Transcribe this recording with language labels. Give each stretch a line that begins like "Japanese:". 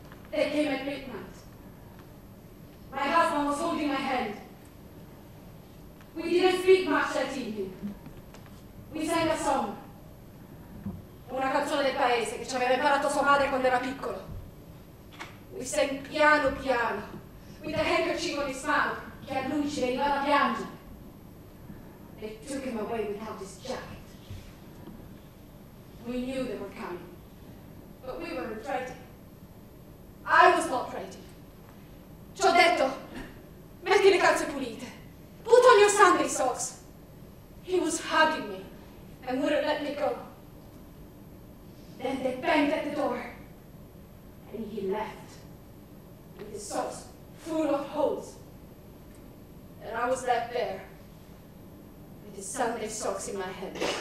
English: They came at midnight. My husband was holding my hand. We didn't speak much that evening. We sang a song.
Italian: Una canzone del paese che ci aveva imparato sua madre quando era piccolo.
English: We sang
Italian: piano piano,
English: with a handkerchief on his mouth,
Italian: che a lui ci veniva da piangere.
English: They took him away without his jacket. We knew they were coming, but we were afraid. I was not ready.
Italian: Ci ho detto, metti le calze pulite.
English: Put on your Sunday socks. He was hugging me and wouldn't let me go. Then they banged at the door and he left with his socks full of holes. And I was left there with his Sunday socks in my hand.